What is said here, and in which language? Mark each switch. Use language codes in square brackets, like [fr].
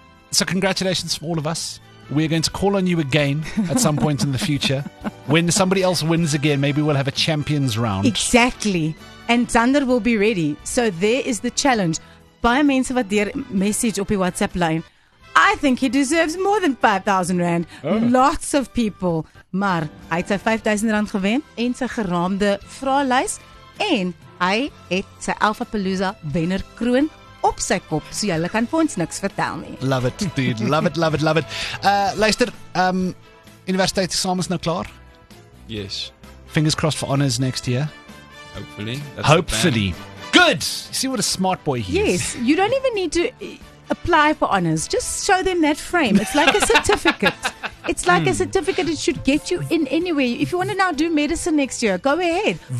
[en] So congratulations from all of us. We're going to call on you again at some point in the future. When somebody else wins again, maybe we'll have a champions round. Exactly. And Zander will be ready. So there is the challenge. [af] Baie mense wat deur message op die WhatsApp line. [en] I think he deserves more than 5,000 rand. Lots of people. [af] Maar hy het sy 5,000 rand gewen en sy geraamde vraelys en hy het sy Alpha Palooza wenner kroon op sy kop, so jy kan vir ons niks vertel nie. [en] Love it, dude. Love it. [af] Luister, universiteit examens nou klaar? [en] Yes. Fingers crossed for honors next year. Hopefully. Hopefully. Good! You see what a smart boy he yes, is. Yes, you don't even need to apply for honours. Just show them that frame. It's like a certificate. It should get you in anywhere. If you want to now do medicine next year, go ahead.